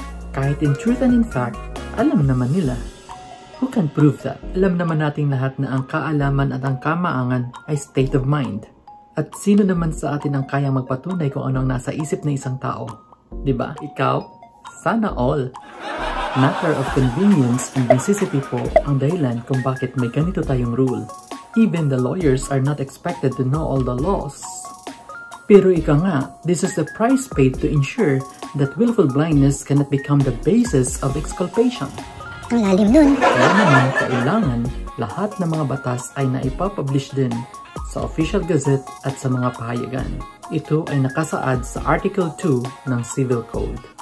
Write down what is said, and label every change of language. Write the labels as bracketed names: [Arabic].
[English] Kahit in truth and in fact, alam naman nila. Who can prove that? [Filipino] Alam naman nating lahat na ang kaalaman at ang kamaangan ay state of mind. At sino naman sa atin ang kayang magpatunay kung anong nasa isip ng isang tao? Diba? Ikaw? Sana all! Matter of convenience and necessity po ang dahilan kung bakit may ganito tayong rule. [English] Even the lawyers are not expected to know all the laws. Pero ika nga, this is the price paid to ensure that willful blindness cannot become the basis of exculpation. [Filipino] Malalim nun. Kaya naman, kailangan lahat ng mga batas ay naipapublish din sa official gazette at sa mga pahayagan. Ito ay nakasaad sa Article 2 ng Civil Code.